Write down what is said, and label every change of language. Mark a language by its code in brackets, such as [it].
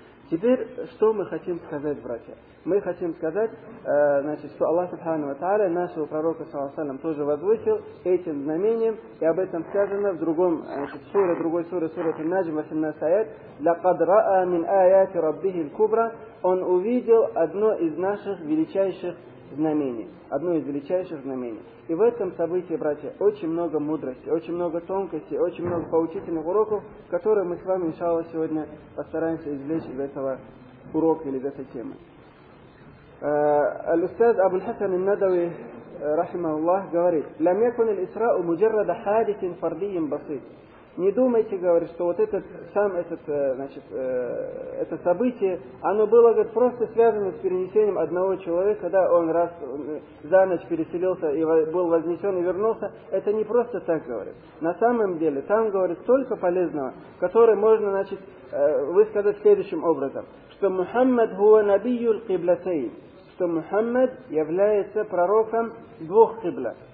[ru] Теперь, что мы хотим сказать, братья? Мы хотим сказать, значит, что Аллах Субхану ва Тааля нашего пророка саллаллаху алейхи ва саллям тоже возвысил этим знамением, и об этом сказано в другом, значит, суре, другой суре, суре Ан-Наджм, 18 аят: [ar] «Лакад раа мин аяти раббихи аль-кубра», [ru] он увидел одно из наших величайших знамений. Одно из величайших знамений. И в этом событии, братья, очень много мудрости, очень много тонкостей, очень много поучительных уроков, которые мы с вами, иншаллах, сегодня постараемся извлечь из этого урока или из этой темы. [ar] الأستاذ أبو الحسن الندوي رحمه الله [ru] говорит: [ar] لم يكن الإسراء مجرد حادث فردي بسيط. [ru] Не думайте, говорит, что вот этот, сам этот, значит, это событие, оно было, говорит, просто связано с перенесением одного человека, да, он раз за ночь переселился и был вознесен и вернулся. Это не просто так, говорит. На самом деле, там, говорит, столько полезного, которое можно, значит, высказать следующим образом: что [ar] Мухаммад хуа набию аль-киблатейн, [ru] что Мухаммад является пророком двух кибла.